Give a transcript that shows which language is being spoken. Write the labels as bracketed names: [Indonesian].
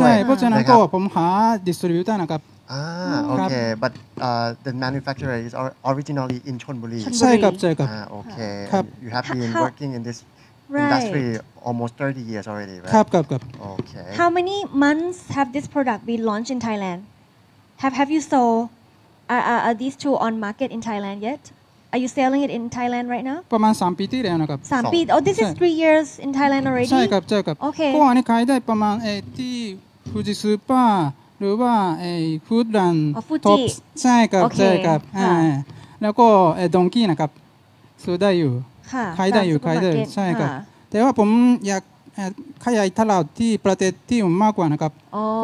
[Thai] ใช่เพราะฉะนั้นก็ผมหาดิสทริบิวเตอร์นะครับ [English] โอเค but the manufacturer is originally in Chonburi [Thai] ใช่ครับ [English] โอเค you have been working in thisRight. Industry almost 30 years already, right? [Thai] ครับ [English] Okay. How many months have this product been launched in Thailand? Have you sold are these two on market in Thailand yet? Are you selling it in Thailand right now? [Thai] ประมาณ3ปีที่แล้วนะครับ [English] 3ปี Oh, this is 3 years in Thailand already? [Thai] ใช่ครับ [English] Okay. [Thai] ก็อันนี้ขายได้ประมาณที่ Fuji Super หรือว่าFoodland Tops ใช่ครับแล้วก็ Donkey นะครับซื้อได้อยู่ ขาย ได้อยู่ขายได้ใช่ครับแต่ว่าผมอยากขยายตลาดที่ประเทศที่มากกว่านะครับก